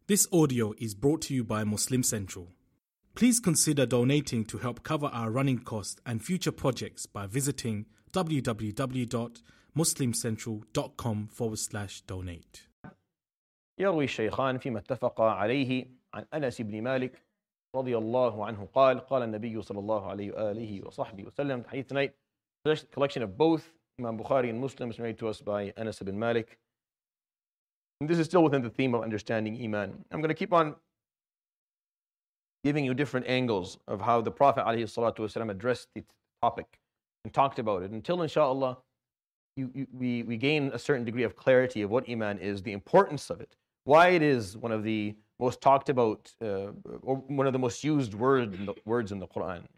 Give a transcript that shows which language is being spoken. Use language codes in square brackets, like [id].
[en] This audio is brought to you by Muslim Central. Please consider donating to help cover our running costs and future projects by visiting www.muslimcentral.com/donate. [ar] يروي الشيخان فيما اتفق عليه عن أنس بن مالك رضي الله عنه قال قال النبي صلى الله عليه وآله وصحبه وسلم. [en] حديث tonight, collection of both Imam Bukhari and Muslim is made to us by Anas ibn Malik. And this is still within the theme of understanding Iman. I'm going to keep on giving you different angles of how the Prophet ﷺ addressed the topic and talked about it until, inshallah, we gain a certain degree of clarity of what Iman is, the importance of it, why it is one of the most talked about, or one of the most used words in the Quran.